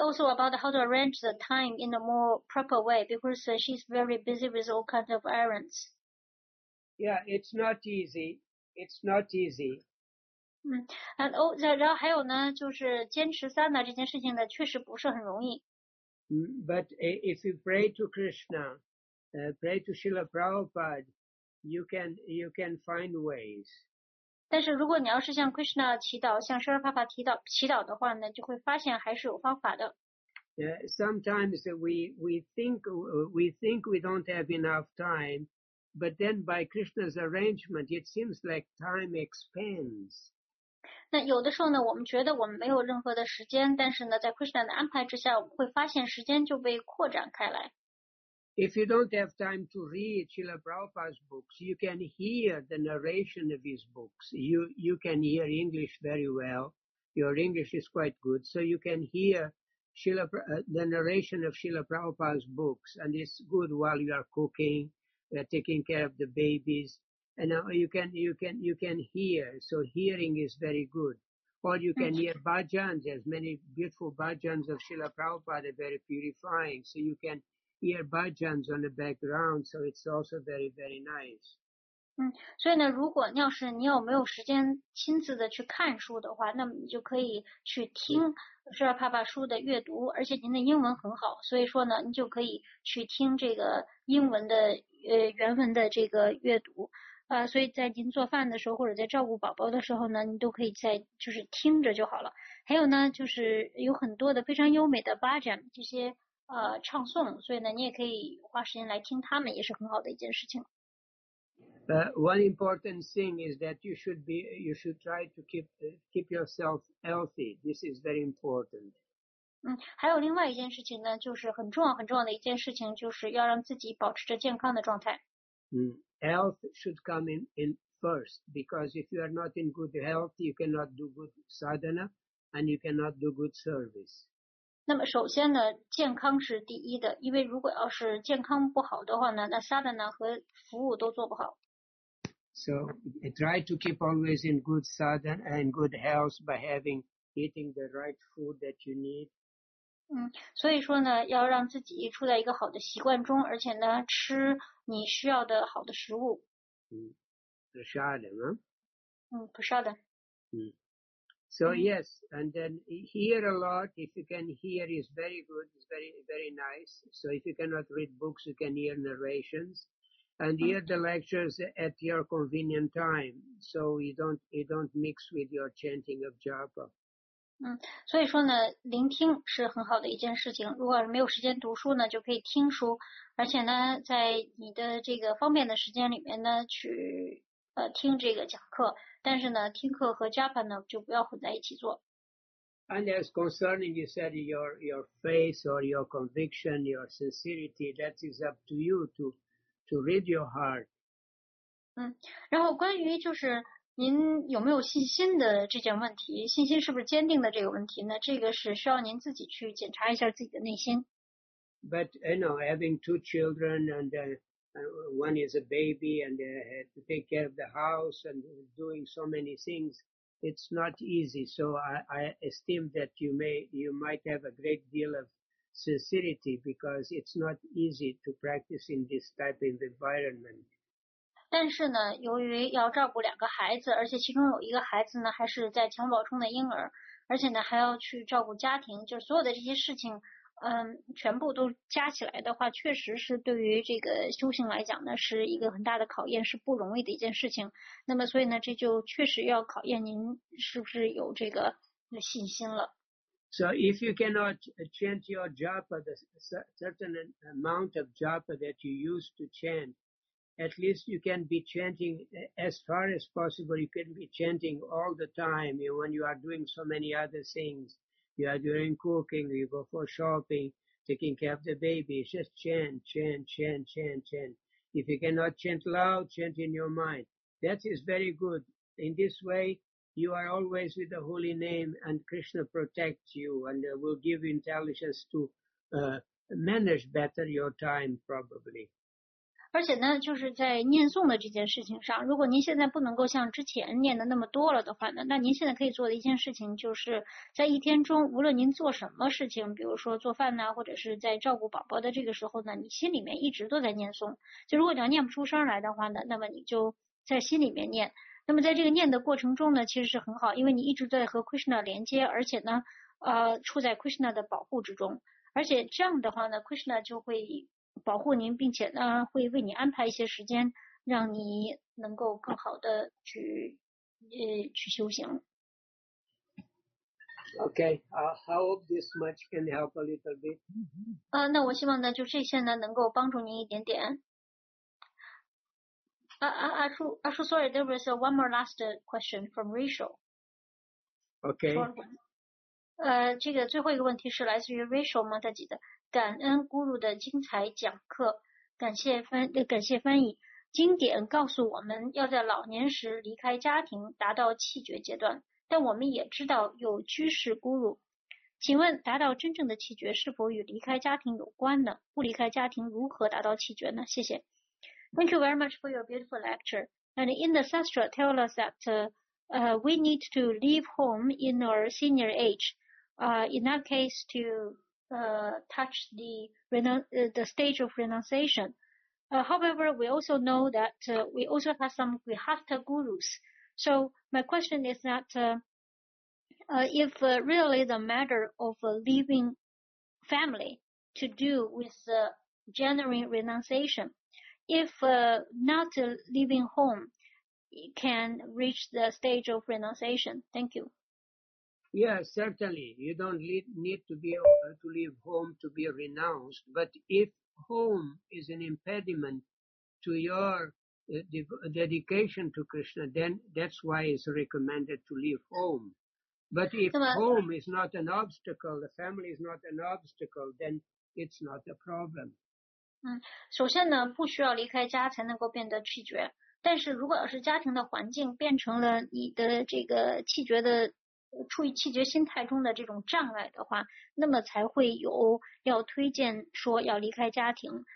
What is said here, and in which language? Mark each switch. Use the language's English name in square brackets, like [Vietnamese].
[English] also about how to arrange the time in a more proper way, because she's very busy with all kinds of errands. Yeah, it's not easy. It's not easy. [Chinese] 嗯， [English] and oh, [Chinese] 然后还有呢，就是坚持三呢这件事情呢，确实不是很容易。 [English] But if you pray to Krishna, pray to Srila Prabhupada, you can find ways. [Chinese] 但是如果你要是向 Krishna 祈祷，向 Srila Prabhupada 祈祷的话呢，就会发现还是有方法的。 [English] Sometimes we think we don't have enough time, but then by Krishna's arrangement, it seems like time expands. [Chinese] 那有的时候呢，我们觉得我们没有任何的时间，但是呢，在 Krishna 的安排之下，我们会发现时间就被扩展开来。 [English] If you don't have time to read Srila Prabhupada's books, you can hear the narration of his books. You can hear English very well. Your English is quite good, so you can hear the narration of Srila Prabhupada's books, and it's good while you are cooking, taking care of the babies. And now you can hear, so hearing is very good. Or you can hear bhajans, as many beautiful bhajans of Srila Prabhupada, very purifying. So you can hear bhajans on the background, so it's also very, very nice. [Chinese] 嗯，所以呢，如果你要是你有没有时间亲自的去看书的话，那么你就可以去听Srila Prabhupada书的阅读，而且您的英文很好，所以说呢，你就可以去听这个英文的原文的这个阅读。所以在您做饭的时候或者在照顾宝宝的时候呢，你都可以在就是听着就好了。还有呢，就是有很多的非常优美的 bhajan 这些唱诵，所以呢，你也可以花时间来听他们，也是很好的一件事情。 [English] One important thing is that you should try to keep yourself healthy. This is very important. [Chinese] 嗯，还有另外一件事情呢，就是很重要很重要的一件事情，就是要让自己保持着健康的状态。嗯。 [English] Health should come in first, because if you are not in good health, you cannot do good sadhana, and you cannot do good service. [Chinese] 那么首先呢，健康是第一的，因为如果要是健康不好的话呢，那 sadhana 和服务都做不好。 [English] So try to keep always in good sadhana and good health by eating the right food that you need. [Chinese] 嗯，所以说呢，要让自己处在一个好的习惯中，而且呢，吃你需要的好的食物。嗯 ，prasadam 啊。嗯 ，prasadam。 [English] 嗯 ，so yes, and then hear a lot. If you can hear, is very good. It's very very nice. So if you cannot read books, you can hear narrations, and hear the lectures at your convenient time. So you don't mix with your chanting of japa. [Chinese] 嗯，所以说呢，聆听是很好的一件事情。如果没有时间读书呢，就可以听书，而且呢，在你的这个方便的时间里面呢，去听这个讲课。但是呢，听课和 japa 呢，就不要混在一起做。 [English] And as concerning you said your faith or your conviction, your sincerity, that is up to you to read your heart. [Chinese] 嗯，然后关于就是。您有没有信心的这件问题？信心是不是坚定的这个问题呢？这个是需要您自己去检查一下自己的内心。 [English] But you know, having two children and one is a baby and had to take care of the house and doing so many things, it's not easy. So I esteem that you might have a great deal of sincerity because it's not easy to practice in this type of environment. [Chinese] 但是呢，由于要照顾两个孩子，而且其中有一个孩子呢还是在襁褓中的婴儿，而且呢还要去照顾家庭，就是所有的这些事情，全部都加起来的话，确实是对于这个修行来讲呢，是一个很大的考验，是不容易的一件事情。那么所以呢，这就确实要考验您是不是有这个信心了。 [English] So if you cannot chant your japa, the certain amount of japa that you used to chant, at least you can be chanting as far as possible. You can be chanting all the time when you are doing so many other things. You are doing cooking, you go for shopping, taking care of the baby. Just chant, chant, chant, chant, chant. If you cannot chant loud, chant in your mind. That is very good. In this way,You are always with the holy name, and Krishna protects you and will give you intelligence to manage better your time, probably. [Chinese] 而且呢，就是在念诵的这件事情上，如果您现在不能够像之前念的那么多了的话呢，那您现在可以做的一件事情就是在一天中，无论您做什么事情，比如说做饭呢，或者是在照顾宝宝的这个时候呢，你心里面一直都在念诵。就如果你要念不出声来的话呢，那么你就在心里面念。那么在这个念的过程中呢，其实是很好，因为你一直在和 Krishna 连接，而且呢，处在 Krishna 的保护之中，而且这样的话呢 ，Krishna 就会保护您，并且呢，会为你安排一些时间，让你能够更好的去修行。 [English] Okay, I hope this much can help a little bit. [Chinese] 那我希望呢，就这些呢，能够帮助您一点点。 [English] Ashu, sorry, there was one more last question from Rachel. Okay. [Chinese] 这个最后一个问题是来自于 Rachel 吗？他记得，感恩 Guru 的精彩讲课，感谢翻译。经典告诉我们要在老年时离开家庭，达到气绝阶段，但我们也知道有居士 Guru。请问，达到真正的气绝是否与离开家庭有关呢？不离开家庭，如何达到气绝呢？谢谢。 [English] Thank you very much for your beautiful lecture. And in the sastra, tell us that we need to leave home in our senior age, in that case to touch the stage of renunciation. However, we also know that we also have some grihastha gurus. So my question is that if really the matter of leaving family to do with genuine renunciation,If not leaving home, it can reach the stage of renunciation. Thank you. Yeah, certainly. You don't need to be able to leave home to be renounced. But if home is an impediment to your dedication to Krishna, then that's why it's recommended to leave home. But if home is not an obstacle, the family is not an obstacle, then it's not a problem. [Chinese] 首先呢不需要离开家才能够变得气绝。但是如果要是家庭的环境变成了你的这个气绝的处于气绝心态中的这种障碍的话，那么才会有要推荐说要离开家庭。